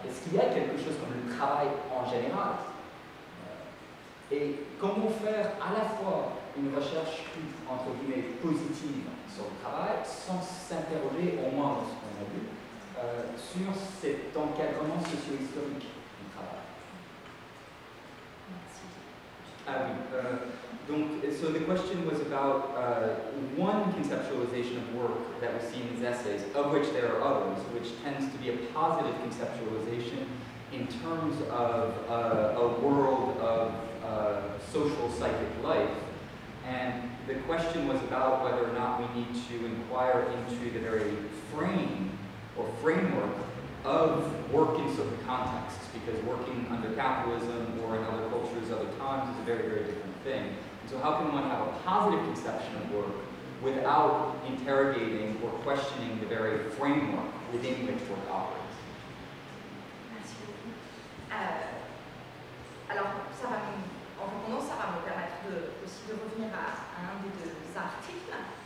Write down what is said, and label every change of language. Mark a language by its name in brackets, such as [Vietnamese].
[French] Est-ce qu'il y a quelque chose comme le travail en général? Et comment faire à la fois une recherche plus, entre guillemets, positive sur le travail, sans s'interroger, au moins dans ce qu'on a vu, sur cet encadrement socio-historique du travail? [English] So the question was about one conceptualization of work that we see in his essays, of which there are others, which tends to be a positive conceptualization in terms of a world of social psychic life. And the question was about whether or not we need to inquire into the very frame or framework of work in certain contexts, because working under capitalism or in other cultures, other times, is a very, very different thing. And so how can one have a positive conception of work without interrogating or questioning the very framework within which work operates? [French] Merci beaucoup. Alors, ça va comme, en répondant, ça va me permettre aussi de revenir à un des deux articles.